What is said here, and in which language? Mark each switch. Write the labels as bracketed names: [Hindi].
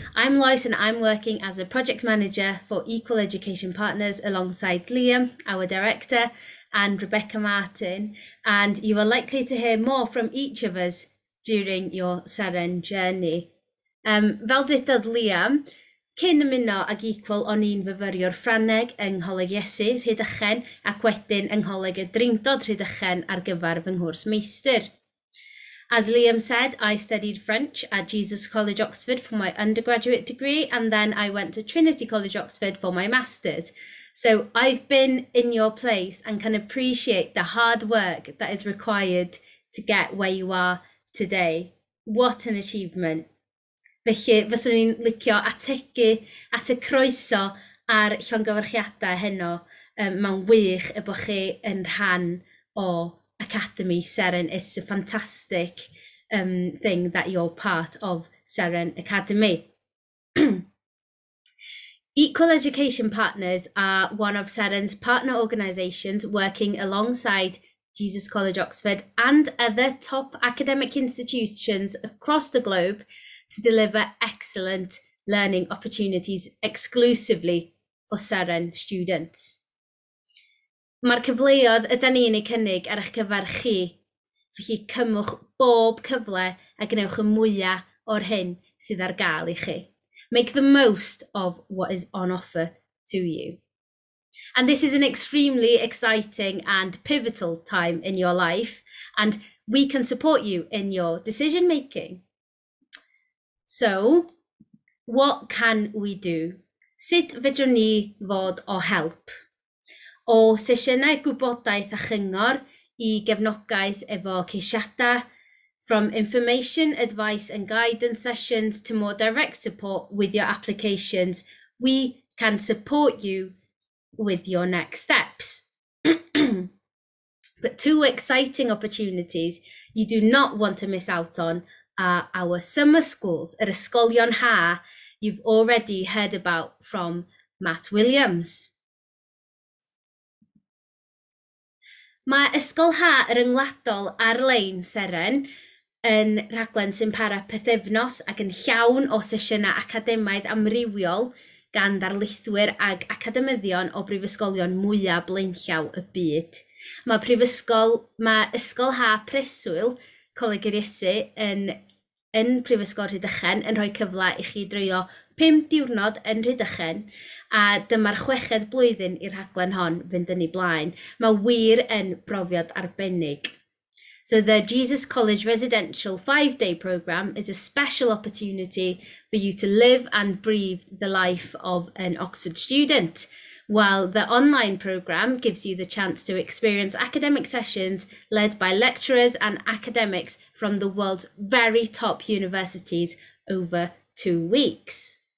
[English] I'm Lois and I'm working as a project manager for Equal Education Partners alongside Liam, our director, and Rebecca Martin. And you are likely to hear more from each of us during your Seren journey. [Welsh] Fel dwi'n dod Liam, Cyn ymuno ag equal o'n un fyfyriwr Ffraneg yng Ngholeg Iesu Rhydychen ac wedyn yng Ngholeg y Dreindod Rhydychen ar gyfer fy nghwrs meistr. [English] As Liam said, I studied French at Jesus College Oxford for my undergraduate degree and then I went to Trinity College Oxford for my master's. So I've been in your place and can appreciate the hard work that is required to get where you are today. What an achievement. [Welsh] Felly, fyswn i'n licio ategu at y croeso ar llongyfarchiadau heno. Mae'n wych y bod chi yn rhan o Academi Seren. [English] It's a fantastic thing that you're part of Seren Academy. Equal Education Partners are one of Seren's partner organisations working alongside Jesus College Oxford and other top academic institutions across the globe to deliver excellent learning opportunities exclusively for Seren students. [Welsh] Mae'r cyfleoedd ydyn ni yn eu cynnig ar eich gyfer chi, felly cymwch bob cyfle a gwnewch y mwyaf o'r hyn sydd ar gael I chi. [English] Make the most of what is on offer to you. And this is an extremely exciting and pivotal time in your life, and we can support you in your decision making. So, what can we do? [Welsh] Sut fedrwn ni fod o help? O sesiynau gwybodaeth a chyngor I gefnogaeth efo ceisiadau, [English] from information, advice and guidance sessions to more direct support with your applications, we can support you with your next steps. But two exciting opportunities you do not want to miss out on are our summer schools at Ysgolion Ha you've already heard about from Matt Williams. [Welsh] Mae Ysgol Ha yr yngwladol ar-lein Seren yn rhaglen sy'n para pethefnos ac yn llawn o sesiynau academaidd amrywiol gan ddarlithwyr ac academyddion o brifysgolion mwyaf blaenllaw y byd. Mae Ysgol Ha Preswyl, Coleg yr Iesu, yn Prifysgol Rhydychen yn rhoi cyfle I chi dreulio 5 diwrnod yn Rhydychen a dyma'r chweched blwyddyn i'r rhaglen hon fynd yn ei blaen. Mae wir yn brofiad arbennig. [English] So the Jesus College Residential 5-day programme is a special opportunity for you to live and breathe the life of an Oxford student, while the online programme gives you the chance to experience academic sessions led by lecturers and academics from the world's very top universities over 2 weeks.